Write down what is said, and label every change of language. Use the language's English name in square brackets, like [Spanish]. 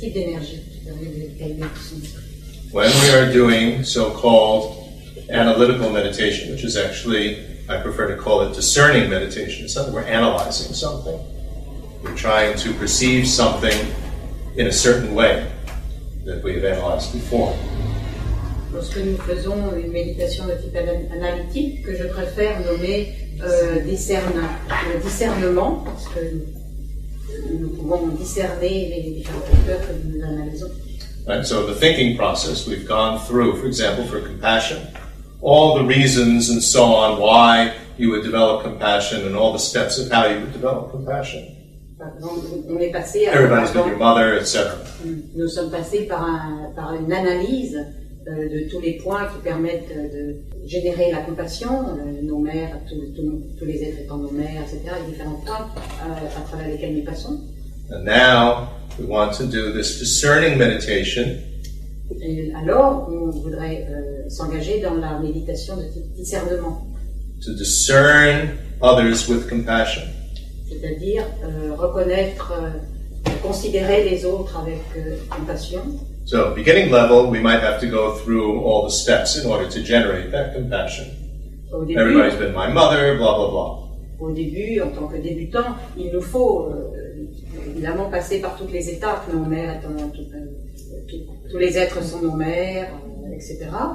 [English] When we are doing so-called analytical meditation, which is actually, I prefer to call it discerning meditation, it's not that we're analyzing something. We're trying to perceive something in a certain way that we have analyzed before. [French] Lorsque nous faisons une méditation de type analytique, que je préfère nommer discernement, parce que nous pouvons discerner les différents facteurs que nous analysons. [English] Right, so the thinking process, we've gone through, for example, for compassion, all the reasons and so on why you would develop compassion and all the steps of how you would develop compassion. [French] On est passé à nous sommes passés par une analyse de tous les points qui permettent de générer la compassion, nos mères, tous les êtres étant nos mères, etc., les différents points à travers lesquels nous passons. [English] And now we want to do this discerning meditation. [French] Et alors on voudrait s'engager dans la méditation de discernement. [English] To discern others with compassion. [French] C'est-à-dire reconnaître, considérer les autres avec compassion. [English] So, beginning level, we might have to go through all the steps in order to generate that compassion. Everybody's been my mother, blah, blah, blah. [French] Au début, en tant que débutant, il nous faut évidemment passer par toutes les étapes, nos mères étant tous les êtres sont nos mères, etc.